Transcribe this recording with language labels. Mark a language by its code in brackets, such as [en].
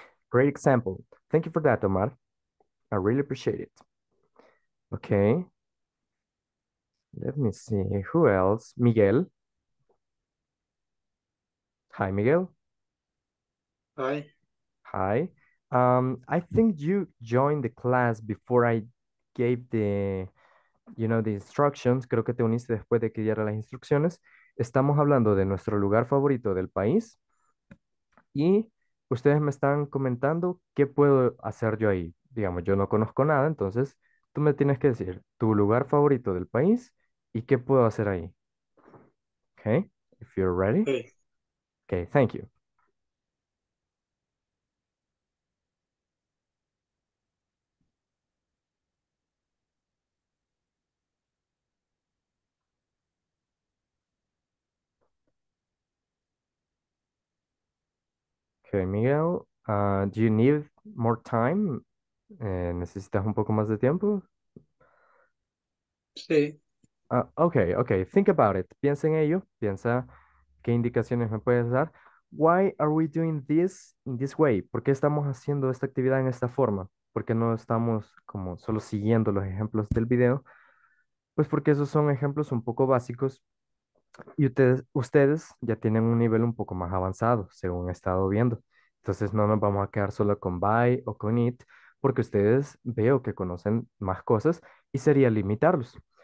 [en] Great example. Thank you for that, Omar. I really appreciate it. Okay. Let me see. Who else? Miguel. Hi, Miguel. Hi. Hi. I think you joined the class before I gave the, you know, the instructions. [es] Creo que te uniste después de que diera las instrucciones. Estamos hablando de nuestro lugar favorito del país. Y ustedes me están comentando qué puedo hacer yo ahí. Digamos, yo no conozco nada, entonces tú me tienes que decir tu lugar favorito del país y qué puedo hacer ahí. [en] Okay, if you're ready. Okay, thank you. Okay, Miguel, do you need more time? [es] ¿Necesitas un poco más de tiempo? Sí. [en] Okay. Think about it. [es] Piensa en ello. Piensa qué indicaciones me puedes dar. [en] Why are we doing this in this way? [es] ¿Por qué estamos haciendo esta actividad en esta forma? ¿Por qué no estamos como solo siguiendo los ejemplos del video? Pues porque esos son ejemplos un poco básicos. Y ustedes ya tienen un nivel un poco más avanzado, según he estado viendo. Entonces no nos vamos a quedar solo con buy o con it, porque ustedes veo que conocen más cosas y sería limitarlos.